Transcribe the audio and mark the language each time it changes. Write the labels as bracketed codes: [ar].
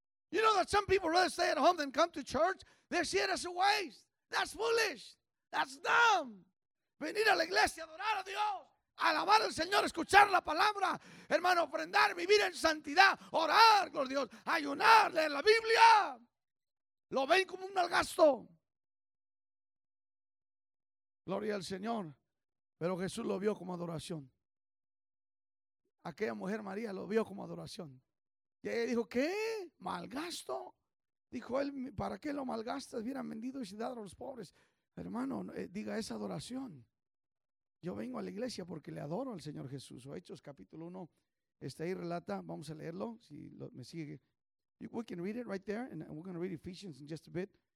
[en] You know that some people rather stay at home than come to church? They see it as a waste. That's foolish. That's dumb. [es] Venir a la iglesia, adorar a Dios, alabar al Señor, escuchar la palabra, hermano, ofrendar, vivir en santidad, orar, gloria a Dios, ayunar, leer la Biblia. Lo ven como un mal gasto. Gloria al Señor. Pero Jesús lo vio como adoración. Aquella mujer María lo vio como adoración. Y ella dijo, ¿qué? ¿Malgasto? Dijo él, ¿para qué lo malgastas? Hubieran vendido y dado a los pobres. Hermano, diga, es adoración. Yo vengo a la iglesia porque le adoro al Señor Jesús. O Hechos capítulo 1, ahí relata, vamos a leerlo, me sigue. [en] We can read it right there, and we're going to read Ephesians in just a bit.